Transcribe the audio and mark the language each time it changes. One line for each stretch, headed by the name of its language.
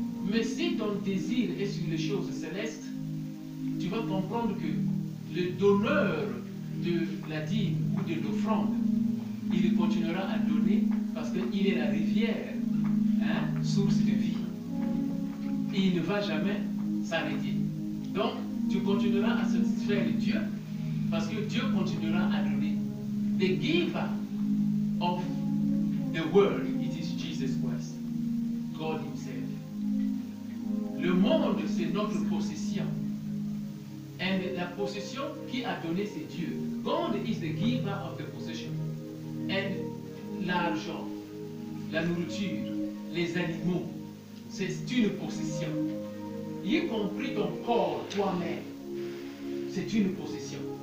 French: Mais si ton désir est sur les choses célestes, tu vas comprendre que le donneur de la dîme ou de l'offrande, il continuera à donner parce qu'il est la rivière, hein, source de vie. Et il ne va jamais s'arrêter. Donc, tu continueras à satisfaire Dieu parce que Dieu continuera à donner.
English: The giver of the world, it is Jesus Christ, God Himself.
French: Le monde, c'est notre possession. Et la possession qui a donné, c'est Dieu.
English: God is the giver of the possession.
French: Et l'argent, la nourriture, les animaux, c'est une possession. Y compris ton corps, toi-même, c'est une possession.